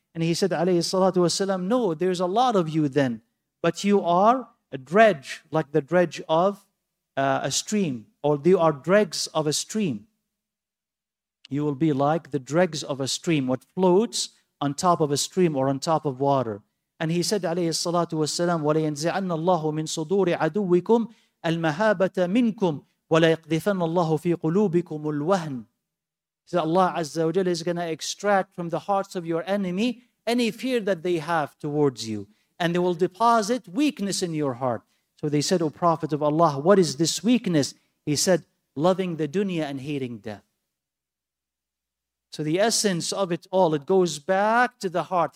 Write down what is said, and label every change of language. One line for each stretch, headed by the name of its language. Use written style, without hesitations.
English: And he said, alayhi salatu wasalam, no, there's a lot of you then, but you are a dredge, like the dredge of a stream, or you are dregs of a stream. You will be like the dregs of a stream, what floats on top of a stream or on top of water. And he said, alayhi salatu wasalam,
Arabic: وَلَيَنْزِعَنَّ اللَّهُ مِنْ صُدُورِ عَدُوِّكُمْ الْمَهَابَةَ مِنْكُمْ وَلَيَقْذِفَنَّ اللَّهُ فِي قُلُوبِكُمُ الْوَهْنِ.
English: That Allah Azza wa Jalla is going to extract from the hearts of your enemy any fear that they have towards you. And they will deposit weakness in your heart. So they said, O Prophet of Allah, what is this weakness? He said, loving the dunya and hating death. So the essence of it all, it goes back to the heart.